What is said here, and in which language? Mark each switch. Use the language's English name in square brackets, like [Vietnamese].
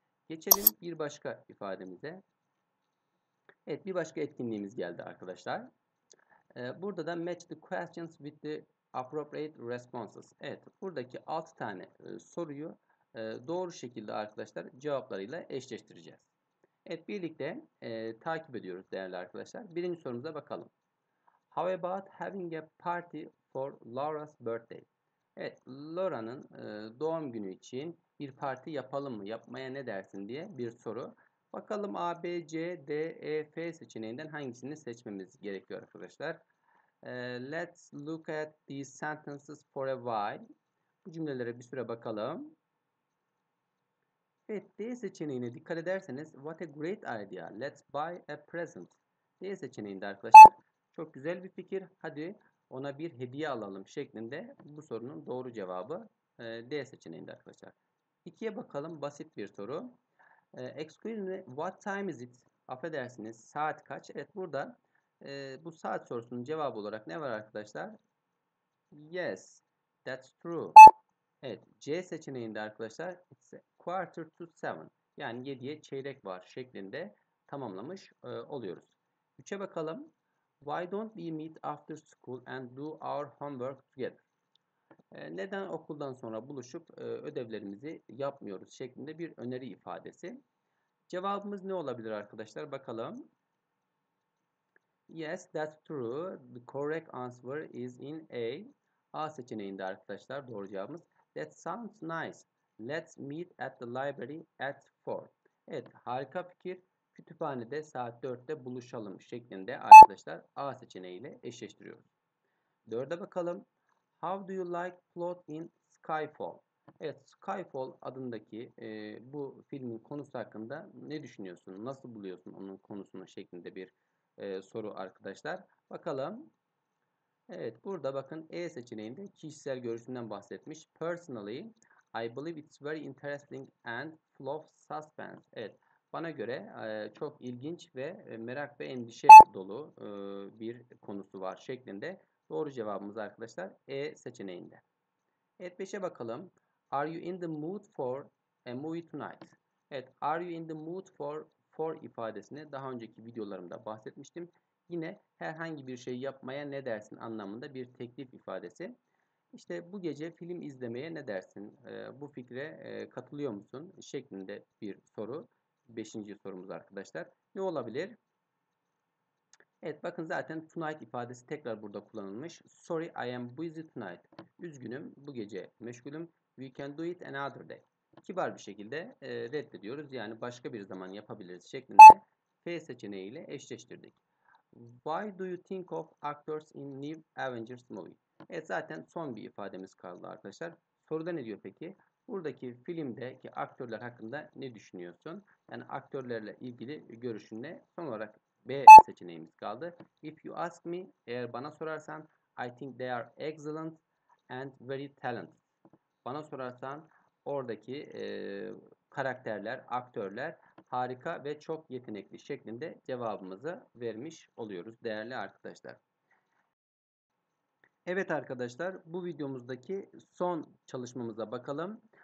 [Turkish] Geçelim bir başka ifademize. Evet, bir başka etkinliğimiz geldi arkadaşlar. Burada da [English] match the questions with the appropriate responses. [Turkish] Evet, buradaki 6 tane soruyu doğru şekilde arkadaşlar cevaplarıyla eşleştireceğiz. Evet, birlikte takip ediyoruz değerli arkadaşlar. Birinci sorumuza bakalım. [English] How about having a party for Laura's birthday? [Turkish] Evet, Laura'nın doğum günü için bir parti yapalım mı, yapmaya ne dersin diye bir soru. Bakalım A, B, C, D, E, F seçeneğinden hangisini seçmemiz gerekiyor arkadaşlar. [English] Let's look at these sentences for a while. [Turkish] Bu cümlelere bir süre bakalım. Evet, D seçeneğine dikkat ederseniz [English] what a great idea. Let's buy a present. [Turkish] D seçeneğinde arkadaşlar çok güzel bir fikir. Hadi ona bir hediye alalım şeklinde bu sorunun doğru cevabı D seçeneğinde arkadaşlar. İkiye bakalım, basit bir soru. [English] Excuse me, what time is it? [Turkish] Affedersiniz, saat kaç? Evet, burada bu saat sorusunun cevabı olarak ne var arkadaşlar? [English] Yes, that's true. [Turkish] Evet, C seçeneğinde arkadaşlar [English] it's quarter to seven, [Turkish] yani 7'ye çeyrek var şeklinde tamamlamış oluyoruz. 3'e bakalım. [English] Why don't we meet after school and do our homework together? [Turkish] Neden okuldan sonra buluşup ödevlerimizi yapmıyoruz şeklinde bir öneri ifadesi. Cevabımız ne olabilir arkadaşlar? Bakalım. [English] Yes, that's true. The correct answer is in A. [Turkish] A seçeneğinde arkadaşlar doğru cevabımız. [English] That sounds nice. Let's meet at the library at 4. [Turkish] Evet, harika fikir. Kütüphanede saat 4'te buluşalım şeklinde arkadaşlar A seçeneğiyle eşleştiriyoruz. 4'e bakalım. [English] How do you like plot in Skyfall? [Turkish] Evet, Skyfall adındaki bu filmin konusu hakkında ne düşünüyorsun? Nasıl buluyorsun onun konusunu şeklinde bir soru arkadaşlar. Bakalım. Evet, burada bakın E seçeneğinde kişisel görüşünden bahsetmiş. [English] Personally, I believe it's very interesting and full of suspense. [Turkish] Evet, bana göre çok ilginç ve merak ve endişe dolu bir konusu var şeklinde. Doğru cevabımız arkadaşlar E seçeneğinde. Evet, 5'e bakalım. [English] Are you in the mood for a movie tonight? [Turkish] Evet, [English] are you in the mood for [Turkish] ifadesini daha önceki videolarımda bahsetmiştim. Yine herhangi bir şey yapmaya ne dersin anlamında bir teklif ifadesi. İşte bu gece film izlemeye ne dersin? Bu fikre katılıyor musun? Şeklinde bir soru. 5. sorumuz arkadaşlar. Ne olabilir? Evet, bakın zaten tonight ifadesi tekrar burada kullanılmış. [English] Sorry, I am busy tonight. [Turkish] Üzgünüm, bu gece meşgulüm. [English] We can do it another day. [Turkish] Kibar bir şekilde reddediyoruz. Yani başka bir zaman yapabiliriz şeklinde F seçeneğiyle eşleştirdik. [English] Why do you think of actors in new Avengers movie? [Turkish] Evet, zaten son bir ifademiz kaldı arkadaşlar. Soruda ne diyor peki? Buradaki filmdeki aktörler hakkında ne düşünüyorsun? Yani aktörlerle ilgili görüşün ne? Son olarak B seçeneğimiz kaldı. [English] If you ask me, [Turkish] eğer bana sorarsan, [English] I think they are excellent and very talented. [Turkish] Bana sorarsan oradaki karakterler, aktörler harika ve çok yetenekli şeklinde cevabımızı vermiş oluyoruz değerli arkadaşlar. Evet arkadaşlar, bu videomuzdaki son çalışmamıza bakalım.